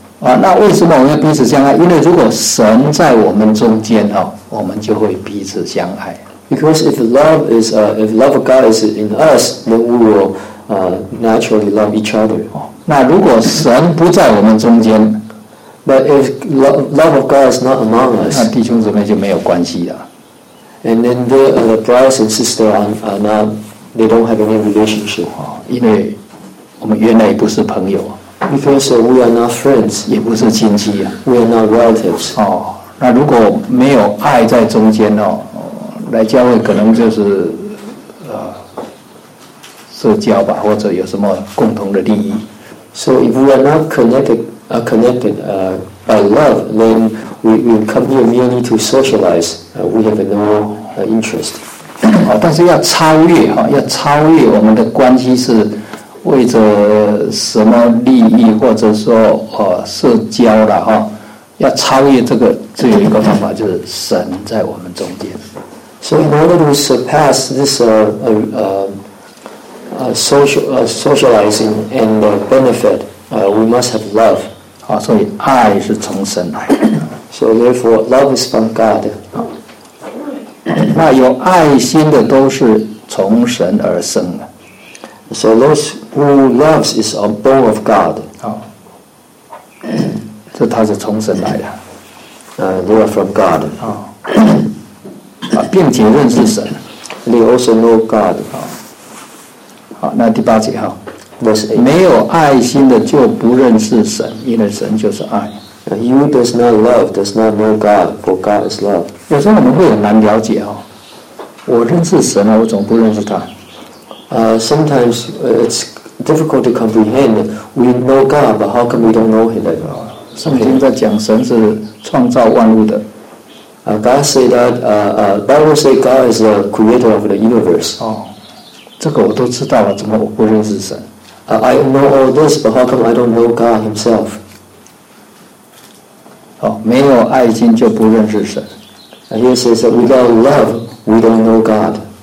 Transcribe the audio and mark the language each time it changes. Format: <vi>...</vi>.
<zh>那为什么我们要彼此相爱？因为如果神在我们中间我们就会彼此相爱。</zh> <en>Because if love is if love of God is in us, then we will naturally love each other.</en> <zh>那如果神不在我们中间</zh> <en>，But if love of God is not among us,</en> <zh>那弟兄姊妹就没有关系了。</zh> <en>And then the brothers and sisters they don't have any relationship.</en> <zh>因为我们原来不是朋友。</zh> <en>Because we are not friends,</en> <zh>也不是亲戚。</zh> <en>We are not relatives.</en> <zh>那如果没有爱在中间来教会可能就是社交吧，或者有什么共同的利益。</zh> <en>So if we are not connected by love, then we come here merely to socialize. We have no interest.</en> <zh>但是要超越要超越我们的关系是为着什么利益，或者说社交了要超越这个，只有一个方法，就是神在我们中间。</zh> <en>So in order to surpass this socializing and the benefit, we must have love.</en> <zh>所以爱是从神来的。</zh> <en>So therefore, love is from God.</en> <zh>那有爱心的都是从神而生的。</zh> <en>So those who loves is a born of God.</en> <zh>这他是从神来的。</zh> <en>They are from God.</en> <zh>并且认识神。</zh> <en>They also know God.</en> <zh>好，那第八节哈</zh> <en>，verse 8，</en> <zh>没有爱心的就不认识神，因为神就是爱。</zh> <en>You does not love, does not know God, for God is love.</en> <zh>有时候我们会很难了解我认识神我总不认识他。</zh> <en>Sometimes it's difficult to comprehend. We know God, but how come we don't know Him?</en> <zh>圣经在讲神是创造万物的。</zh> <en>God say that. Bible say God is the creator of the universe.</en> <zh>这个我都知道了，怎么我不认识神？</zh> <en>I know all this, but how come I don't know God Himself?</en> <zh>没有爱心就不认识神。</zh> <en>And he says that without love, we don't know God.</en>